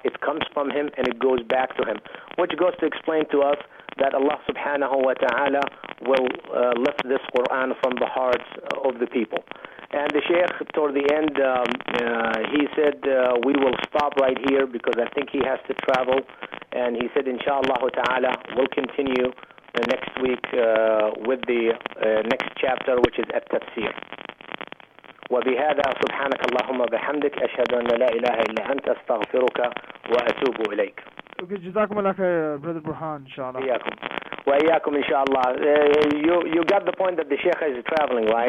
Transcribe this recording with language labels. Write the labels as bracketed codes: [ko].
[en] It comes from Him and it goes back to Him, which goes to explain to us that Allah subhanahu wa ta'ala will lift this Quran from the hearts of the people. And the Sheikh, toward the end, he said, we will stop right here because I think he has to travel. And he said, inshallah ta'ala, we'll continue next week with the next chapter, which is At-Tafsir. [ar] وبهذا سبحانك اللهم وبحمدك أشهد أن لا إله إلا أنت أستغفرك وأتوب إليك. [en] Okay, [ar] جزاكم الله خير, [en] Brother Burhan, inshallah. [ar] إياكم وإياكم إن شاء الله. [en] You got the point that the Sheikh is traveling, right?